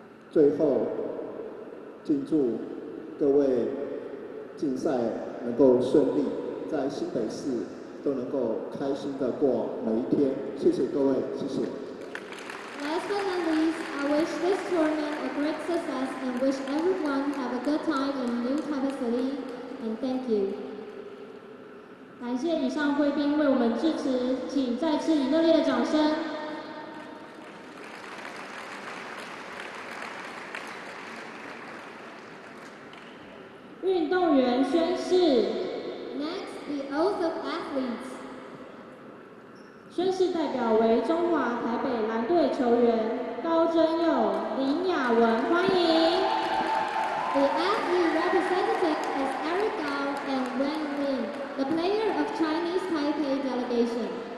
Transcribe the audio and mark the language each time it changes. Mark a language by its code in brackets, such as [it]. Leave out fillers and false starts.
[zh] 最后，敬祝各位竞赛能够顺利，在新北市都能够开心的过每一天。谢谢各位，谢谢。 [en] Last but not least, I wish this tournament a great success and wish everyone have a good time in New Taipei City. And thank you. [zh] 感谢以上贵宾为我们致辞，请再次以热烈的掌声。运动员宣誓。 [en] Next, the oath of athletes. [zh] 宣誓代表为中华台北蓝队球员高真佑、林雅文，欢迎。 [en] The SU representative is Eric Gao and Wen Lin, the player of Chinese Taipei delegation.